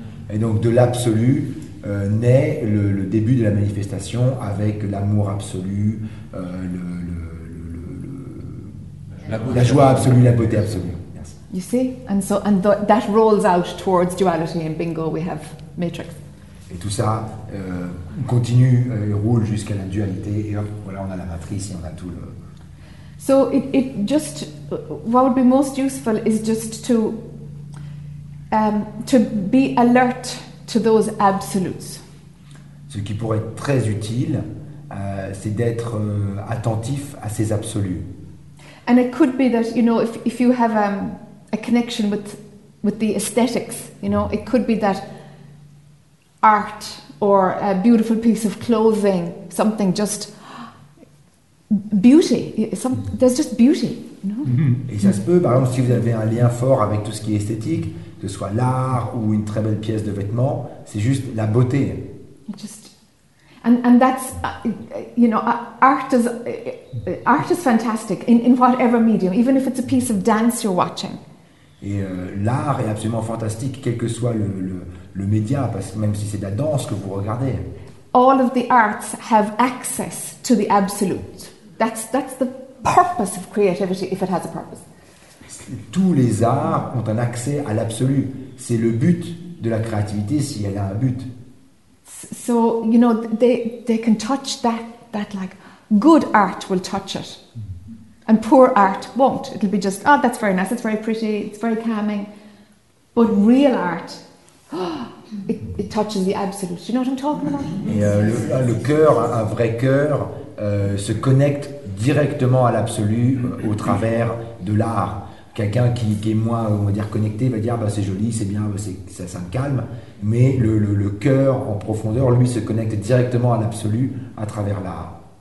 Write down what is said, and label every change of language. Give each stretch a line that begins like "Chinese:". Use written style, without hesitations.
French: Et donc de l'absolu naît le début de la manifestation avec l'amour absolu, la joie absolue, la beauté absolue.
English: You see, and that rolls out towards duality, and bingo, we have matrix.
French: Et tout ça continue et roule jusqu'à la dualité, et hop, voilà, on a la matrice, et on a tout le.
English: So it just what would be most useful is just to be alert to those absolutes.
French: Ce qui pourrait être très utile, c'est d'être attentif à ces absolus.
English: And it could be that, you know, if you have a connection with the aesthetics, you know, it could be that art or a beautiful piece of clothing, something just beauty. There's just beauty, you know.
French: Et ça se peut, par exemple, si vous avez un lien fort avec tout ce qui est esthétique, que ce soit l'art ou une très belle pièce de vêtement, c'est juste la beauté.
English: And that's, you know, art is fantastic in whatever medium, even if it's a piece of dance you're watching.
French: Et l'art est absolument fantastique, quel que soit le média, parce que même si c'est de la danse que vous regardez.
English: All of the arts have access to the absolute. That's the purpose of creativity, if it has a purpose.
French: Tous les arts ont un accès à l'absolu. C'est le but de la créativité si elle a un but.
English: So, you know, they can touch that like good art will touch it. And poor art won't. It'll be just, oh, that's very nice, it's very pretty, it's very calming. But real art, it touches the absolute. Do you know what I'm talking about?
French: Et le cœur, un vrai cœur, se connecte directement à l'absolu au travers de l'art. Quelqu'un qui est moins, on va dire, connecté va dire, bah, c'est joli, c'est bien, bah, ça me calme. Mais le cœur en profondeur, lui, se connecte directement à l'absolu à travers l'art.